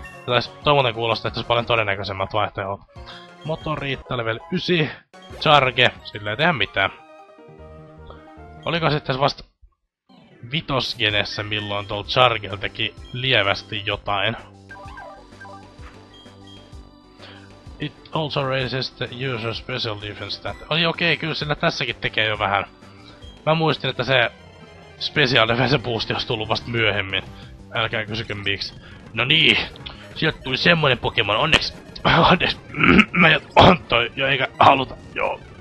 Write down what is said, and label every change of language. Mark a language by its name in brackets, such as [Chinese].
[Finnish] Se taisi tommonen kuulostaa, että se paljon todennäköisemmät vaihtoehdot. Motoriitta level 9. Charge. Silleen ei tehdä mitään. Oliko sitten vasta... Vitosgenessä, milloin tuolla Chargel teki lievästi jotain. [English] It also raises the user special defense stat. [Finnish] Oli okei, kyllä sillä tässäkin tekee jo vähän. Mä muistin, että se special defense boosti olisi tullut vasta myöhemmin. Älkää kysykö miksi. No niin, sieltä tuli semmonen Pokemon. Onneksi Anteeks, mä jatkoon toi jo eikä haluta, joo.